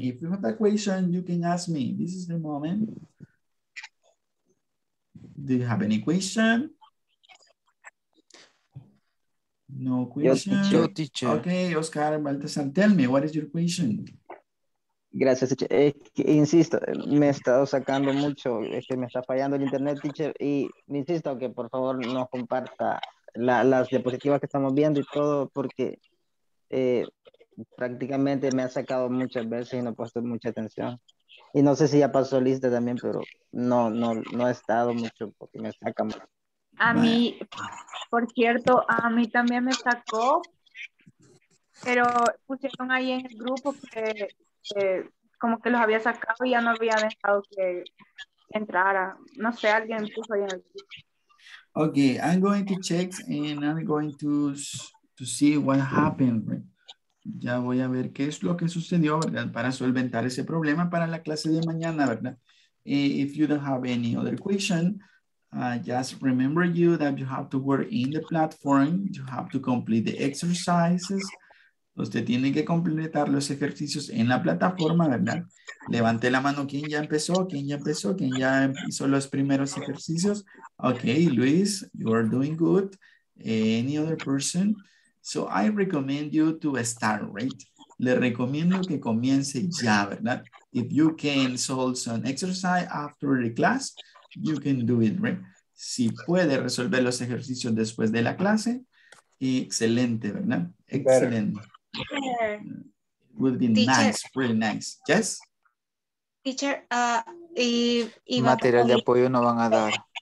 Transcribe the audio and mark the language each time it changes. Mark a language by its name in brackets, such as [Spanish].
[English] If you have a question, you can ask me. This is the moment. Do you have any question? No question. [Spanish] Yo, teacher. [English] Okay, Oscar Baltasar, tell me, what is your question? [Spanish] Gracias, teacher. Insisto, me he estado sacando mucho, me está fallando el internet, teacher, y insisto que por favor nos comparta las diapositivas que estamos viendo y todo, porque prácticamente me ha sacado muchas veces y no he puesto mucha atención. Y no sé si ya pasó lista también, pero no he estado mucho porque me saca mucho. A mí, por cierto, a mí también me sacó, pero pusieron ahí en el grupo que como que los había sacado y ya no había dejado que entrara. No sé, alguien puso ahí en el grupo. [English] Okay, I'm going to check and I'm going to see what happened. [Spanish] Ya voy a ver qué es lo que sucedió, ¿verdad? Para solventar ese problema para la clase de mañana, ¿verdad? [English] If you don't have any other question, just remember you that you have to work in the platform. You have to complete the exercises. [Spanish] Usted tiene que completar los ejercicios en la plataforma, ¿verdad? Levante la mano. ¿Quién ya empezó? ¿Quién ya empezó? ¿Quién ya hizo los primeros ejercicios? [English] Okay, Luis, you are doing good. Any other person? So I recommend you to start, right? [Spanish] Le recomiendo que comience ya, ¿verdad? [English] If you can solve some exercise after the class, you can do it, right? [Spanish] Si puede resolver los ejercicios después de la clase, excelente, ¿verdad? [English] Excelente. Would be teacher, nice, really nice. Yes? [Spanish] Teacher, y material de apoyo no van a dar.